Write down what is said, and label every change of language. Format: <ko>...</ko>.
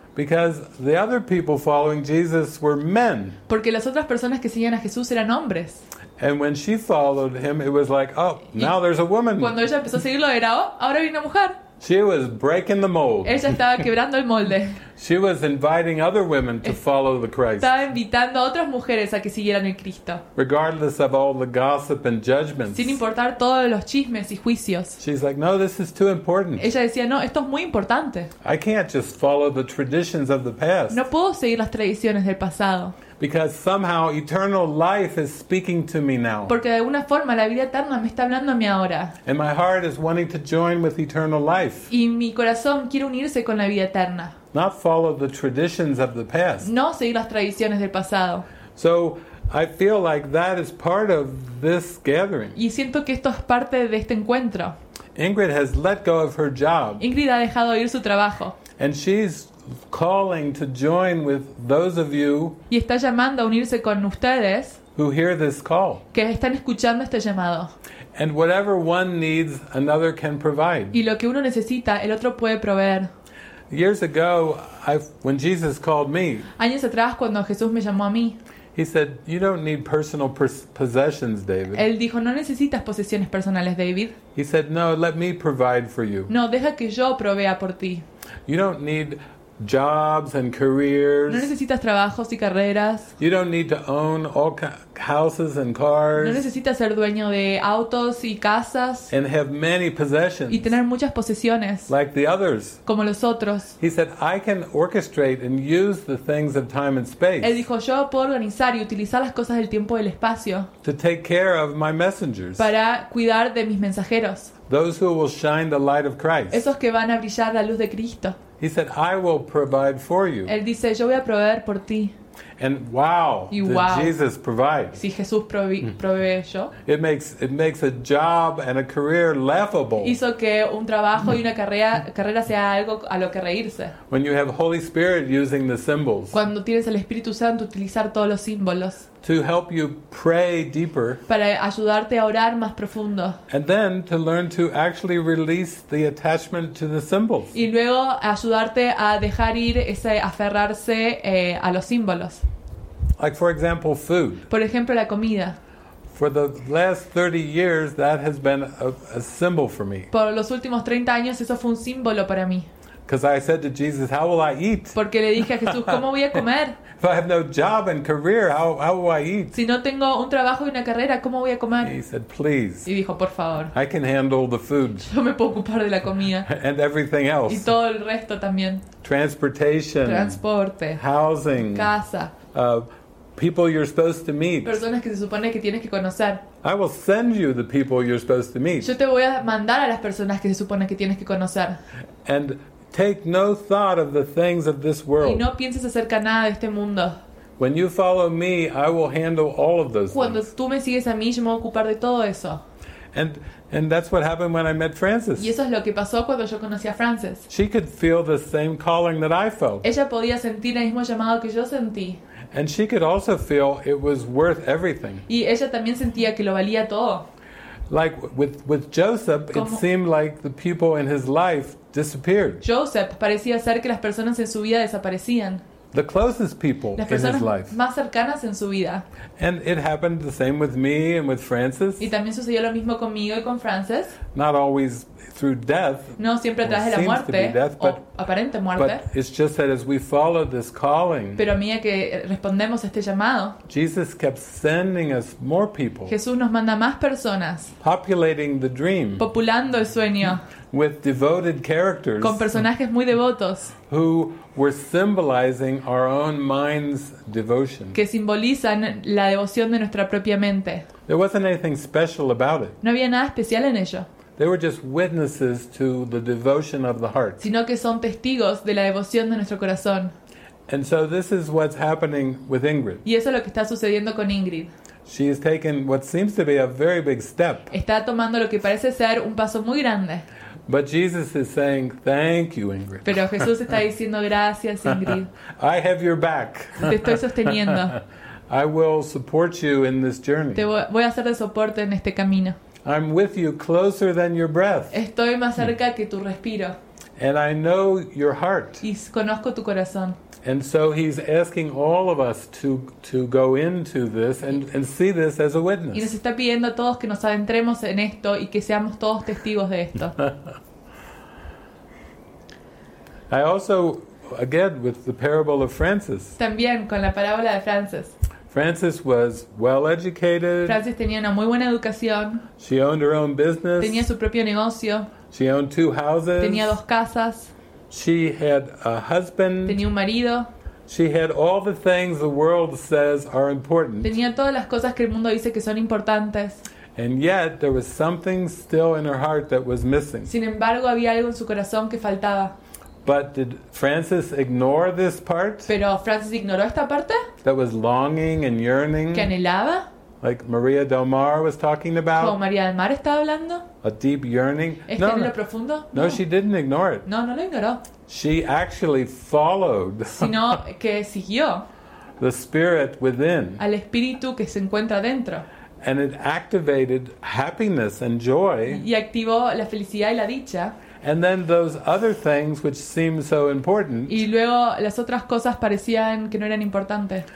<en>Because the other people following Jesus were men.</en> <es>Porque las otras personas que seguían a Jesús eran hombres.</es> <en>And when she followed him, it was like, oh, now there's a woman.</en> <es>Cuando ella empezó a seguirlo era, oh, ahora viene una mujer.</es> <en>She was breaking the mold.</en> <es>Ella estaba quebrando el molde.</es> <en>She was inviting other women to follow the Christ.</en> <es>Estaba invitando a otras mujeres a que siguieran el Cristo.</es> <en>Regardless of all the gossip and judgments.</en> <es>Sin importar todos los chismes y juicios.</es> <en>She's like, no, this is too important.</en> <es>Ella decía, no, esto es muy importante.</es> <en>I can't just follow the traditions of the past.</en> <es>No puedo seguir las tradiciones del pasado.</es> <en>Because somehow eternal life is speaking to me now.</en> <es>Porque de alguna forma la vida eterna me está hablando a mí ahora.</es> <en>And my heart is wanting to join with eternal life.</en> <es>Y mi corazón quiere unirse con la vida eterna.</es> <en>Not follow the traditions of the past.</en> <es>No seguir las tradiciones del pasado.</es> <en>So I feel like that is part of this gathering.</en> <es>Y siento que esto es parte de este encuentro.</es> <en>Ingrid has let go of her job.</en> <es>Ingrid ha dejado ir su trabajo.</es> <en>And she's calling to join with those of you.</en> <es>Y está llamando a unirse con ustedes.</es> <en>Who hear this call?</en> <es>Que están escuchando este llamado.</es> <en>And whatever one needs, another can provide.</en> <es>Y lo que uno necesita, el otro puede proveer.</es> <en>Years ago, when Jesus called me.</en> <es>Años atrás cuando Jesús me llamó a mí.</es> <en>He said, "You don't need personal possessions, David."</en> <es>Él dijo, "No necesitas posesiones personales, David."</es> <en>He said, "No, let me provide for you."</en> <es>No, deja que yo provea por ti.</es> <en>You don't need jobs and careers.</en> <es>No necesitas trabajos y carreras.</es> <en>You don't need to own all houses and cars.</en> <es>No necesitas ser dueño de autos y casas.</es> <en>And have many possessions.</en> <es>Y tener muchas posesiones.</es> <en>Like the others.</en> <es>Como los otros.</es> <en>He said, "I can orchestrate and use the things of time and space."</en> <es>Él dijo, "Yo puedo organizar y utilizar las cosas del tiempo y del espacio."</es> <en>To take care of my messengers.</en> <es>Para cuidar de mis mensajeros.</es> <en>Those who will shine the light of Christ.</en> <es>Esos que van a brillar la luz de Cristo.</es> <en>He said, "I will provide for you."</en> <es>Él dice, "Yo voy a proveer por ti."</es> <en>And wow,</en> <es>y wow,</es> <en>Jesus provides.</en> <es>Si Jesús proveyó.</es> <en>It makes a job and a career laughable.</en> <es>Hizo que un trabajo y una carrera sea algo a lo que reírse.</es> <en>When you have Holy Spirit using the symbols.</en> <es>Cuando tienes el Espíritu Santo utilizar todos los símbolos.</es> <en>To help you pray deeper.</en> <es>Para ayudarte a orar más profundo.</es> <en>And then to learn to actually release the attachment to the symbols.</en> <es>Y luego ayudarte a dejar ir ese aferrarse a los símbolos.</es> <en>Like for example, food.</en> <es>Por ejemplo, la comida.</es> <en>For the last 30 years, that has been a symbol for me.</en> <es>Por los últimos 30 años, eso fue un símbolo para mí.</es> <en>Because I said to Jesus, "How will I eat?"</en> <es>Porque le dije a Jesús, ¿cómo voy a comer?</es> <en>If I have no job and career, how will I eat?</en> <es>Si no tengo un trabajo y una carrera, ¿cómo voy a comer?</es> <en>He said, "Please."</en> <es>Y dijo, por favor.</es> <en>I can handle the food.</en> <es>Yo me puedo ocupar de la comida.</es> <en>And everything else.</en> <es>Y todo el resto también.</es> <en>Transportation.</en> <es>Transporte.</es> <en>Housing.</en> <es>Casa.</es> <en>People you're supposed to meet.</en> <es>Personas que se supone que tienes que conocer.</es> <en>I will send you the people you're supposed to meet.</en> <es>Yo te voy a mandar a las personas que se supone que tienes que conocer.</es> <en>And take no thought of the things of this world.</en> <es>Y no pienses acerca nada de este mundo.</es> <en>When you follow me, I will handle all of those</en> <es>Cuando</es> <en>things.</en> <es>Cuando tú me sigues a mí, yo me voy a ocupar de todo eso.</es> <en>And that's what happened when I met Frances.</en> <es>Y eso es lo que pasó cuando yo conocí a Frances.</es> <en>She could feel the same calling that I felt.</en> <es>Ella podía sentir el mismo llamado que yo sentí.</es> <en>And she could also feel it was worth everything.</en> <es>Y ella también sentía que lo valía todo.</es> <en>Like with Joseph,</en> <es>¿Cómo?</es> <en>It seemed like the people in his life disappeared.</en> <es>Joseph parecía ser que las personas en su vida desaparecían.</es> <en>The closest people</en> <es>las personas</es> <en>in his life.</en> <es>Más cercanas en su vida.</es> <en>And it happened the same with me and with Frances.</en> <es>Y también sucedió lo mismo conmigo y con Frances.</es> <en>Not always through death.</en> <es>No siempre a través de la muerte.</es> <en>Death,</en> <es>o aparente muerte.</es> <en>But it's just that as we follow this calling.</en> <es>Pero a medida que respondemos a este llamado.</es> <en>Jesus kept sending us more people.</en> <es>Jesús nos manda más personas.</es> <en>Populating the dream.</en> <es>Populando el sueño.</es> <en>With devoted characters.</en> <es>Con personajes muy devotos.</es> <en>Who were symbolizing our own mind's devotion.</en> <es>Que simbolizan la devoción de nuestra propia mente.</es> <en>There wasn't anything special about it.</en> <es>No había nada especial en ello.</es> <en>They were just witnesses to the devotion of the heart.</en> <es>Sino que son testigos de la devoción de nuestro corazón.</es> <en>And so this is what's happening with Ingrid.</en> <es>Y eso es lo que está sucediendo con Ingrid.</es> <en>She has taken what seems to be a very big step.</en> <es>Está tomando lo que parece ser un paso muy grande.</es> <en>But Jesus is saying, "Thank you, Ingrid."</en> <es>Pero Jesús está diciendo gracias, Ingrid.</es> <en>I have your back.</en> <es>Te estoy sosteniendo.</es> <en>I will support you in this journey.</en> <es>Te voy a hacer de soporte en este camino.</es> <en>I'm with you closer than your breath.</en> <es>Estoy más cerca que tu respiro.</es> <en>And I know your heart.</en> <es>Y conozco tu corazón.</es> <en>And so he's asking all of us to go into this and see this as a witness.</en> <es>Y nos está pidiendo a todos que nos adentremos en esto y que seamos todos testigos de esto.</es> <en>I also, again, with the parable of Francis.</en> <es>También con la parábola de Francis.</es> <en>Francis was well educated.</en> <es>Francis tenía una muy buena educación.</es> <en>She owned her own business.</en> <es>Tenía su propio negocio.</es> <en>She owned two houses.</en> <es>Tenía dos casas.</es> <en>She had a husband.</en> <es>Tenía un marido.</es> <en>She had all the things the world says are important.</en> <es>Tenía todas las cosas que el mundo dice que son importantes.</es> <en>And yet there was something still in her heart that was missing.</en> <es>Sin embargo, había algo en su corazón que faltaba.</es> <en>But did Francis ignore this part?</en> <es>¿Pero Francis ignoró esta parte?</es> <en>That was longing and yearning.</en> <es>¿Que anhelaba?</es> <en>Like Maria del Mar was talking about.</en> <es>¿Como María del Mar estaba hablando?</es> <en>A deep yearning.</en> <es>¿Este no, anhelo profundo?</es> <en>No, she didn't ignore it.</en> <es>No, no lo ignoró.</es> <en>She actually followed.</en> <es>Sino que siguió.</es> <en>The spirit within.</en> <es>Al espíritu que se encuentra dentro.</es> <en>And it activated happiness and joy.</en> <es>Y activó la felicidad y la dicha.</es> <en>And then those other things which seem so important.</en> <es>Y luego las otras cosas parecían que no eran importantes.</es>